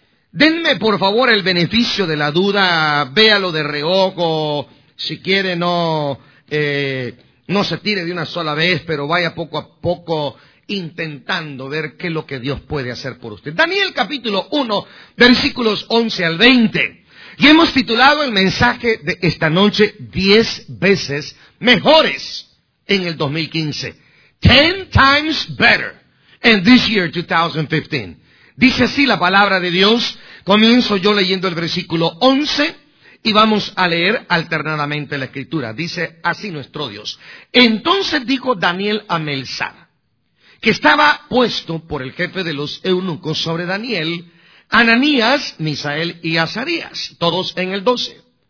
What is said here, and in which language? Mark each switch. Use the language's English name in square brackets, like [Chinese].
[Spanish] Denme, por favor, el beneficio de la duda, véalo de reojo, si quiere no se tire de una sola vez, pero vaya poco a poco intentando ver qué es lo que Dios puede hacer por usted. Daniel capítulo 1, versículos 11 al 20, y hemos titulado el mensaje de esta noche 10 veces mejores en el 2015. [English] 10 times better in this year 2015. [Spanish] Dice así la palabra de Dios. Comienzo yo leyendo el versículo 11 y vamos a leer alternadamente la escritura. Dice así nuestro Dios. Entonces dijo Daniel a Melzar, que estaba puesto por el jefe de los eunucos sobre Daniel, Ananías, Misael y Azarías, todos en el 12.